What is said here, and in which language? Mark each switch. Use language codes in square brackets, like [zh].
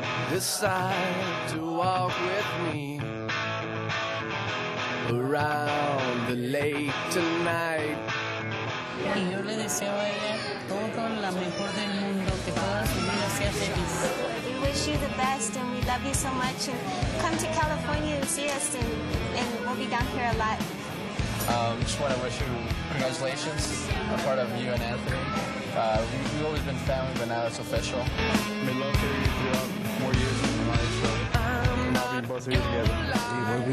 [en] Decide to walk with me around the lake tonight. [es] Y yo le deseo a ella todo lo mejor del mundo, que toda su vida sea feliz. [en] We wish you the best and we love you so much. And come to California and see us, and we'll be down here a lot. Just want to wish you congratulations. I'm part of you and Anthony. We've always been family, but now it's official. We love you throughout 4 years of the night, so both of you together.